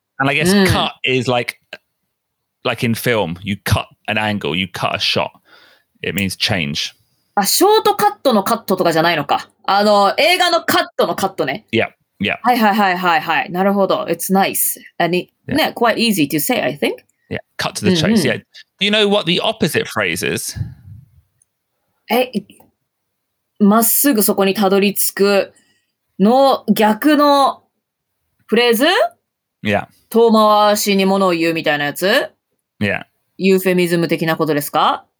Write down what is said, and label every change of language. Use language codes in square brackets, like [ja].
[en] And I guess cut is like in film, you cut an angle, you cut a shot. It means change. [ja] あ、ショートカットのカットとかじゃないのか。あの、映画のカットのカットね。 [en] Yeah, yeah. [ja] はいはいはいはいはい。なるほど。 [en] It's nice. And it, [ja] ね、 [en] quite easy to say, I think. Yeah, cut to the chase. Yeah. Do you know what the opposite phrase is? [ja] え、まっすぐそこにたどり着くの逆のフレーズ？ [en] Yeah. [ja] 遠回しにものを言うみたいなやつ？ [en] Yeah. [ja] ユーフェミズム的なことですか？